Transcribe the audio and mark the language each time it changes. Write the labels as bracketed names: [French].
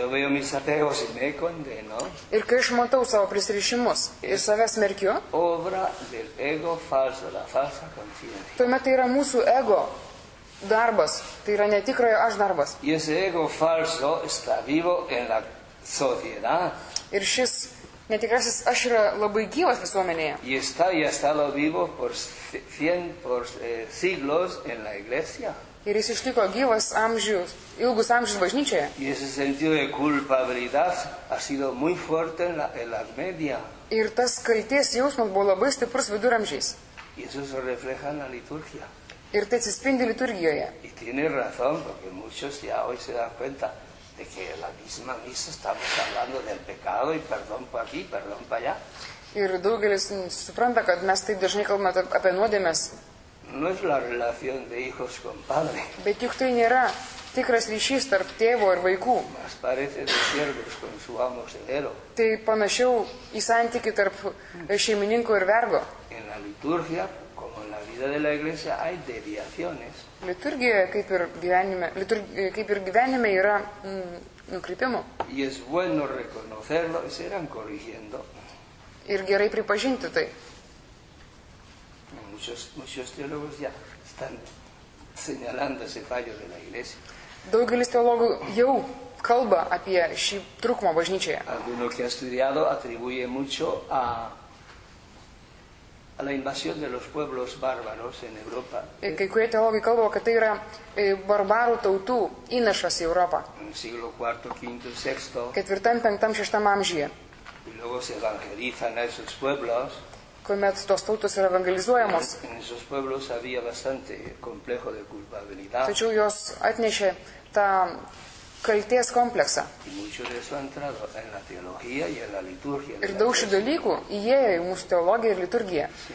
[Lithuanian] Ir kai aš matau savo prisirišimus ir save smerkiu, tuomet tai yra mūsų ego. Darbas, tai yra netikrojo aš darbas. [Spanish] Y ese ego falso está vivo en la sociedad. [Lithuanian] Ir šis netikrasis aš yra labai gyvas visuomenėje. [Spanish] Y está y ha estado vivo por cien por siglos en la iglesia. [Lithuanian] Ir jis išliko gyvas amžius, ilgus amžius bažnyčioje. [Spanish] Y ese sentido de culpabilidad ha sido muy fuerte en la Edad Media. [Lithuanian] Ir tas kaltės jausmas buvo labai stiprus viduramžiais. [Spanish] Y eso se refleja en la liturgia. [Lithuanian] Ir tai atsispindi liturgijoje. [Spanish] Y tiene razón, porque muchos ya hoy se dan cuenta de que la misma misa estamos hablando del pecado y perdón por aquí, perdón por allá. [Lithuanian] Ir daugelis supranta, kad mes taip dažnai kalbame apie nuodėmes. [Spanish] No es la relación de hijos con padre. [Lithuanian] Bet juk tai nėra tikras ryšys tarp tėvo ir vaikų. [Spanish] Más parece de siervos con su amo celero. [Lithuanian] Tai panašiau į santykį tarp šeimininko ir vergo. [Spanish] En la liturgia, de la iglesia hay deviaciones. [Lithuanian] Liturgijoje kaip ir gyvenime, yra nukrypimų. [Spanish] Y es bueno reconocerlo y se irán corrigiendo. [Lithuanian] Ir gerai pripažinti tai. [Spanish] Muchos teólogos ya están señalando ese fallo de la iglesia. [Lithuanian] Daugelis teologų jau kalba apie šį trūkumą bažnyčioje. [Spanish] Alguno que ha estudiado atribuye mucho a la invasión de los pueblos bárbaros en Europa. [Lithuanian] Kai kurie teologai kalba, kad tai yra barbarų tautų įnašas į Europą. [Spanish] Siglo IV, V, VI. [Lithuanian] Ketvirtam, penktam, šeštam amžyje. [Spanish] Y luego se evangelizan a esos pueblos. [Lithuanian] Kuomet tos tautos yra evangelizuojamos. [Spanish] En esos pueblos había bastante complejo de culpabilidad. [Lithuanian] Tačiau jos atnešė tą kalties kompleksą. [Spanish] Y mucho de eso ha entrado en la teología y en la liturgia. [Lithuanian] Ir daug šių dalykų įėjo į mūsų teologiją ir liturgiją.